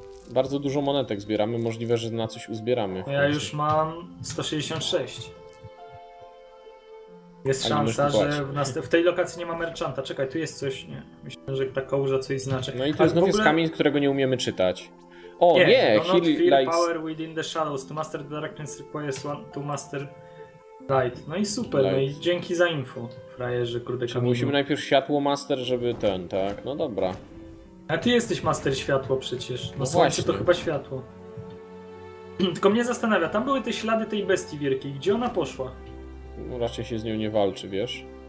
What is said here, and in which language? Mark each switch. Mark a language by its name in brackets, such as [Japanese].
[Polish] Bardzo dużo monetek zbieramy, możliwe, że na coś uzbieramy. Ja już mam 166. Jest ani szansa, że w tej lokacji nie ma merchanta. Czekaj, tu jest coś, nie? Myślę, że ta kołuża coś znaczy. No i tu znowu jest kamień, którego nie umiemy czytać. O, nie! [English] Heal lights. Power within the shadows. To master the darkness requires one to master light. [Polish] No i super, light. No i dzięki za info, frajerze, kurde kamienie. Musimy najpierw światło master, żeby ten, tak? No dobra. A ty jesteś master światło przecież. No, no słońce właśnie. To chyba światło. Tylko mnie zastanawia, tam były te ślady tej bestii wielkiej. Gdzie ona poszła? No raczej się z nią nie walczy, wiesz?